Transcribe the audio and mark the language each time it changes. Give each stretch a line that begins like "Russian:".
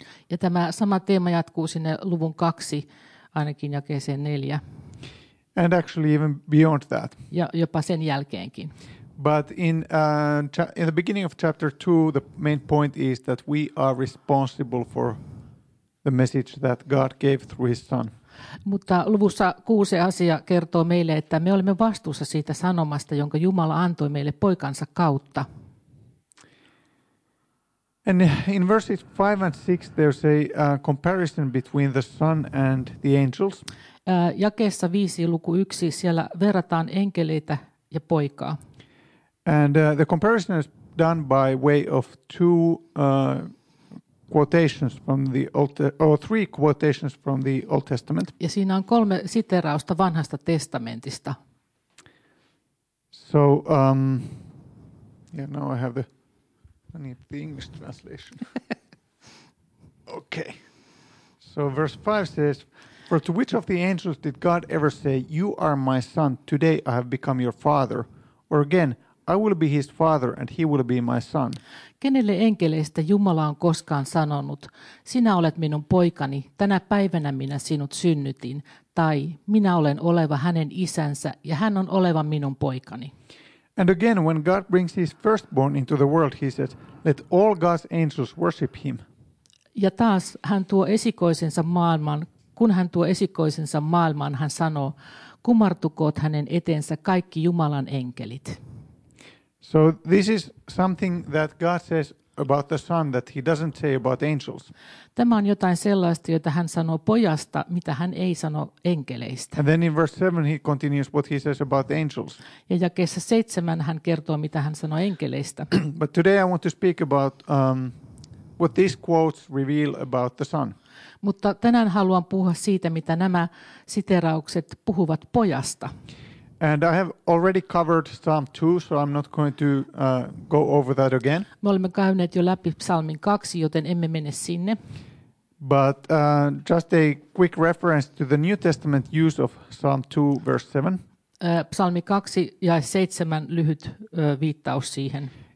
Finnish: Ja tämä sama teema jatkuu sinne luvun 2 ainakin jakeeseen 4.
English: And actually even beyond that.
Finnish: Ja jopa sen jälkeenkin.
English: But in the beginning of chapter 2, the main point is that we are responsible for the message that God gave through his son.
Finnish: Mutta luvussa 6 asia kertoo meille, että me olemme vastuussa siitä sanomasta, jonka Jumala antoi meille poikansa kautta.
English: And in verses 5 and 6 there's a comparison between the son and the angels.
Finnish: Jakeessa 5 luku 1 siellä verrataan enkeleitä ja poikaa.
English: And the comparison is done by way of two quotations from the three quotations from the Old Testament.
Finnish: Ja siinä on 3 siteerausta Vanhasta testamentista.
English: So now I have the English translation. Okay. So verse 5 says, "For to which of the angels did God ever say, 'You are my son, today I have become your father'? Or again, 'I will be his father and he will be my son'?"
Finnish: Kenelle enkeleistä Jumala on koskaan sanonut, sinä olet minun poikani, tänä päivänä minä sinut synnytin, tai minä olen oleva hänen isänsä ja hän on oleva minun poikani.
English: And again, when God brings his firstborn into the world, he says, "Let all God's angels worship him."
Finnish: Ja taas hän tuo esikoisensa maailman, kun hän tuo esikoisensa maailmaan, hän sanoo, kumartukoot hänen eteensä kaikki Jumalan enkelit.
English: So this is something that God says about the son that he doesn't say about angels.
Finnish: Tämä on jotain sellaista, jota hän sanoo pojasta, mitä hän ei sano enkeleistä.
English: And then in verse 7 he continues what he says about angels.
Finnish: Ja jakeessa 7 hän kertoo, mitä hän sanoo enkeleistä.
English: But today I want to speak about what these quotes reveal about the son.
Finnish: Mutta tänään haluan puhua siitä, mitä nämä siteraukset puhuvat pojasta.
English: And I have already covered Psalm 2, so I'm not going to go over that again.
Finnish: Me olemme käyneet jo läpi psalmin 2, joten emme mene sinne.
English: But just a quick reference to the New Testament use of Psalm 2, verse 7.
Finnish: Psalmi 2 ja 7 lyhyt viittaus siihen.